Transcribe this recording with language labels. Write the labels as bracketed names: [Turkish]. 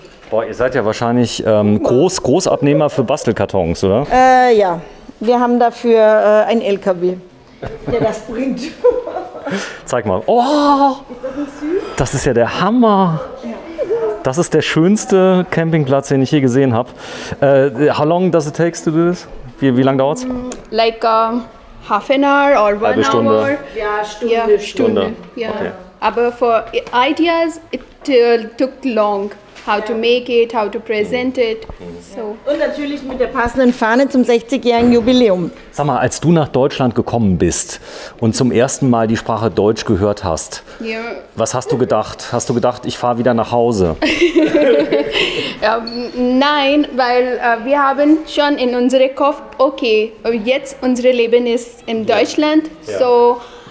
[German] Boah, ihr seid ja wahrscheinlich Großabnehmer für Bastelkartons, oder? Ja, wir haben dafür einen LKW, der das bringt. Zeig mal. Oh, ist das nicht süß? Das ist ja der Hammer. Das ist der schönste Campingplatz, den ich je gesehen habe. [English] How long does it take to do this? [German] Wie lange dauert es? [English] Like half an hour or one [German] halbe Stunde. [English] Hour. [German] Ja, Stunde. [English] Yeah, [German] Stunde. [English] Yeah. Okay. [German] Aber [English] for ideas, it took long, how to make it, how to present it. So. [German] Und natürlich mit der passenden Fahne zum 60-jährigen Jubiläum. Sag mal, als du nach Deutschland gekommen bist und zum ersten Mal die Sprache Deutsch gehört hast, was hast du gedacht? Hast du gedacht, ich fahre wieder nach Hause? Nein, weil wir haben schon in unserem Kopf, okay, jetzt unser Leben ist in Deutschland, so...